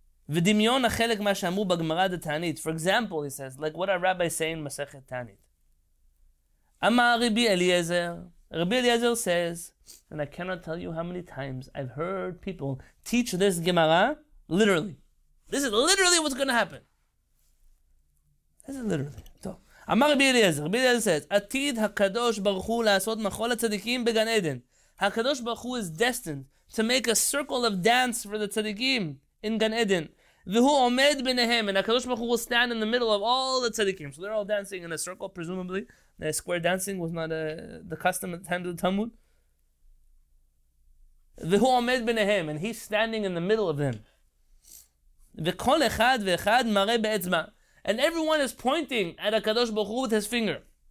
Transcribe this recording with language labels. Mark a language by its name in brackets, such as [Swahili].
[Hebrew] V'dimyon achelek ma she'amu b'gemara d'Tanit. [English] For example, he says, like what our rabbi say in Masechet Tanit. Amar Rabbi Eliezer. Rabbi Eliezer says, and I cannot tell you how many times I've heard people teach this gemara literally. This is literally what's going to happen. This is literally. [Hebrew] אמר רבי אליעזר, [English] רבי אליעזר says, [Hebrew] עתיד הקדוש ברוך הוא לעשות מחול הצדיקים בגן עדן. [English] הקדוש ברוך הוא is destined to make a circle of dance for the צדיקים in גן עדן. [Hebrew] והוא עומד ביניהם, [English] and הקדוש ברוך הוא will stand in the middle of all the צדיקים. So they're all dancing in a circle, presumably. Square dancing was not the custom at the time of the Talmud. [Hebrew] והוא עומד ביניהם, [English] and he's standing in the middle of them. [Hebrew] וכל אחד ואחד מראה באצבע. [English] And everyone is pointing at HaKadosh Baruch Hu with his finger.